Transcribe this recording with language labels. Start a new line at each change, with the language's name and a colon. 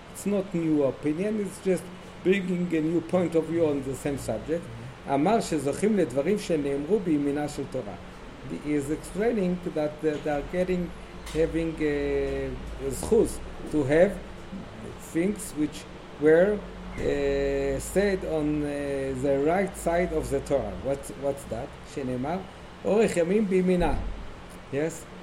English: It's not new opinion, it's just bringing a new point of view on the same subject.
Hebrew: אמר שזוכים לדברים שנאמרו בימינה של תורה.
English: He is explaining that they are getting, having a זכות to have things which were said on the right side of the Torah. What's that?
Hebrew: Shenemar, Orech Yamim Bimina. Yes?